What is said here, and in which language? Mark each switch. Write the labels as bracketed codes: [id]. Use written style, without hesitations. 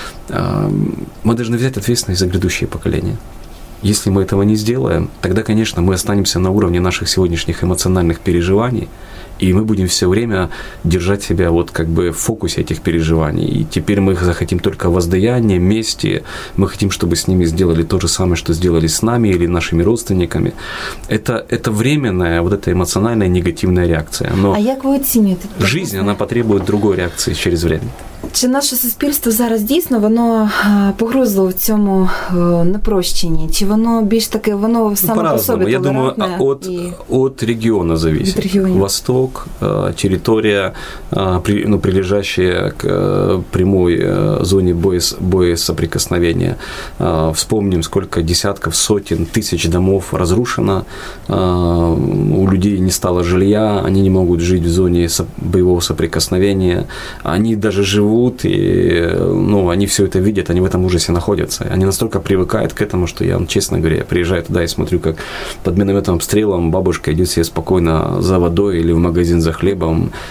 [ru] Мы должны взять ответственность за грядущее поколение. Если мы этого не сделаем, тогда, конечно, мы останемся на уровне наших сегодняшних эмоциональных переживаний, и мы будем все время держать себя вот как бы в фокусе этих переживаний. И теперь мы захотим только воздаяния, мести. Мы хотим, чтобы с ними сделали то же самое, что сделали с нами или нашими родственниками. Это временная вот эта эмоциональная негативная реакция. Но а как вы оцениваете? Жизнь, она потребует другой реакции через время. [uk] Чи наше суспільство зараз дійсно воно погрузло в цьому непрощенні? Чи воно більш таке, воно саме по собі толерантне? Я думаю, от регіону залежить. [ru] Восток, [uk] територія, ну, [ru] прилежащая к прямой [uk] зоні боєсоприкосновення. [ru] Вспомним, сколько десятков, сотен, тысяч домов разрушено. У людей не стало жилья, они не могут жить в зоне боевого соприкосновения. Они даже живут и, ну, они все это видят, они в этом ужасе находятся. Они настолько привыкают к этому, что я, честно говоря, я приезжаю туда и смотрю, как под минометным обстрелом бабушка идет себе спокойно за водой или в магазин за хлебом.